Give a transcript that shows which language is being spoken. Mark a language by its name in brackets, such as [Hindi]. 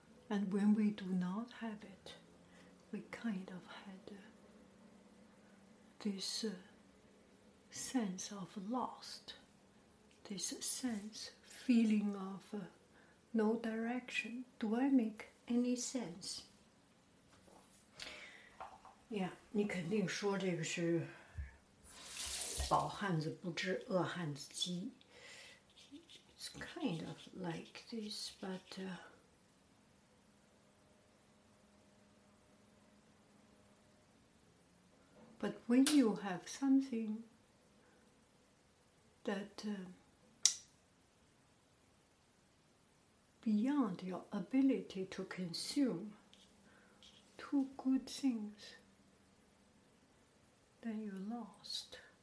[English] And when we do not have it, we kind of had this sense of lost, this sense, feeling of no direction. Do I make any sense? Yeah, [Chinese] 你肯定说这个是饱汉子不知饿汉子饥。 [English] Kind of like this, but when you have something that beyond your ability to consume, two good things, then you're lost.